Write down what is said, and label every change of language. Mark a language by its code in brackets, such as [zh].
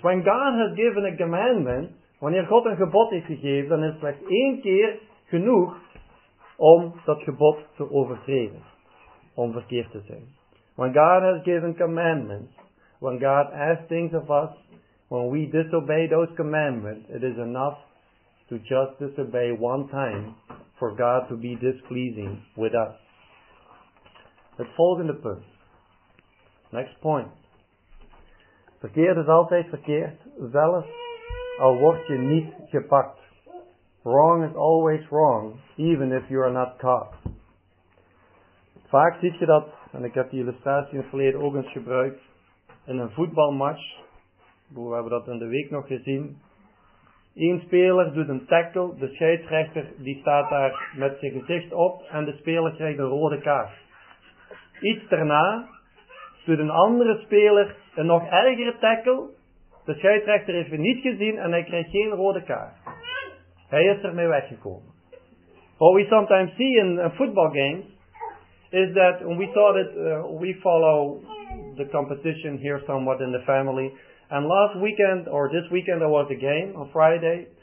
[en] When God has given a commandment, [nl] wanneer God een gebod heeft gegeven, dan is slechts één keer genoeg om dat gebod te overtreden. Om verkeerd te zijn. [en] When God has given commandments, when God asks things of us, when we disobey those commandments, it is enough to just disobey one time for God to be displeasing with us. [nl] Het volgende punt. [en] Next point. [nl] Verkeerd is altijd verkeerd, zelfs al word je niet gepakt. [en] Wrong is always wrong, even if you are not caught. [nl] Vaak zie je dat, en ik heb die illustratie in het verleden ook eens gebruikt, in een voetbalmatch, we hebben dat in de week nog gezien. Eén speler doet een tackle, de scheidsrechter die staat daar met zijn gezicht op en de speler krijgt een rode kaart. Iets daarna doet een andere speler een nog ergere tackle. De scheidsrechter heeft hem niet gezien en hij krijgt geen rode kaart. Hij is ermee weggekomen. [en] What we sometimes see in football games is that, and we saw that we follow the competition here somewhat in the family. And last weekend, or this weekend, there was a game on Friday.